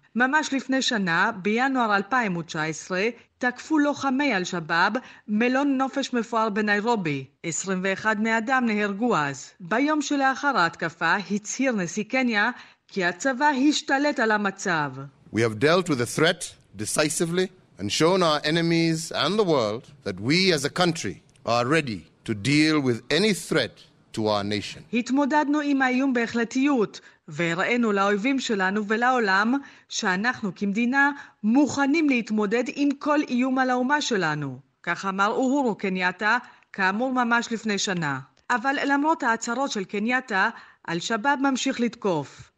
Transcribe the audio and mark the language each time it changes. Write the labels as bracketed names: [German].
[Hebrew] ממש לפני שנה, בינואר 2019, תקפו לוחמי אל שבאב מלון נופש מפואר בניירובי. 21 בני אדם נהרגו אז. ביום שלאחר ההתקפה הצהיר נשיא קניה כי הצבא השתלט על המצב. [English] We have dealt with the threat decisively and shown our enemies and the world that we as a country are ready to deal with any threat to our nation. [Hebrew] התמודדנו עם האיום בהחלטיות והראינו לאויבים שלנו ולעולם שאנחנו כמדינה מוכנים להתמודד עם כל איום על האומה שלנו. כך אמר אוהורו קנייתה, כאמור ממש לפני שנה. אבל למרות ההצהרות של קנייתה, אל שבאב ממשיך לתקוף.